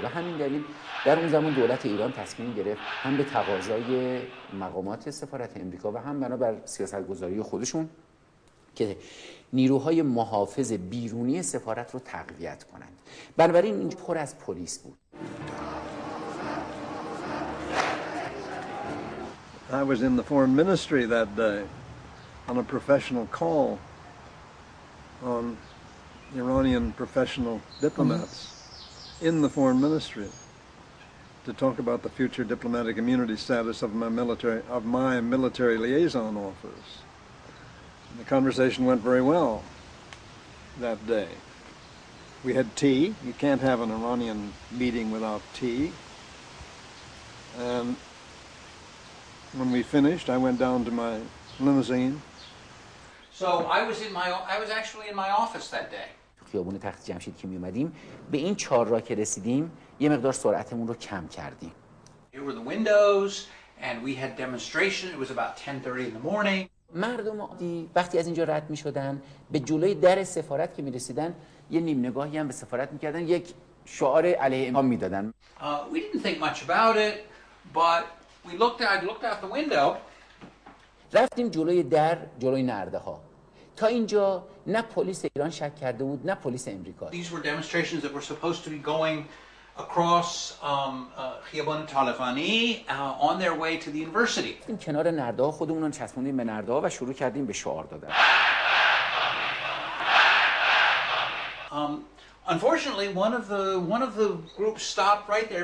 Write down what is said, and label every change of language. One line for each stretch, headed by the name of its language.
Persian: به همین دلیل در اون زمان دولت ایران تصمیم گرفت هم به تقاضای مقامات سفارت امریکا و هم بنابر سیاست گذاری خودشون که نیروهای محافظ بیرونی سفارت رو تقویت کنند. بنابراین اینجا پر از پلیس بود.
English: I was in the foreign ministry that day on a professional call on Iranian professional diplomats in the foreign ministry to talk about the future diplomatic immunity status of my military liaison office. And the conversation went very well that day. We had tea. You can't have an Iranian meeting without tea. And when we finished, I went down to my limousine. So I was actually in my office that day.
Persian: تو خیابون تخت جمشید که می اومدیم به این چهارراه که رسیدیم یه مقدار سرعتمون رو کم کردیم.
English: Here were the windows and we had demonstration. It was about 10:30 in the morning.
Persian: مردم عادی وقتی از اینجا رد می شدن به جلوی در سفارت که می رسیدن یه نیم نگاهی هم به سفارت می کردن یک شعار علیه امام می دادن.
English: We didn't think much about it, but I looked out the window.
Persian: رفتیم جلوی در جلوی نرده ها. تا اینجا نه پلیس ایران شک کرده بود نه پلیس امریکا.
English: These were demonstrations that were supposed to be going across خیابان طالفانی on their way to the university.
Persian: این کنار نرده ها خودمون رو چسبوندیم به نرده ها و شروع کردیم به شعار دادن.
English: Unfortunately one of the groups stopped right there.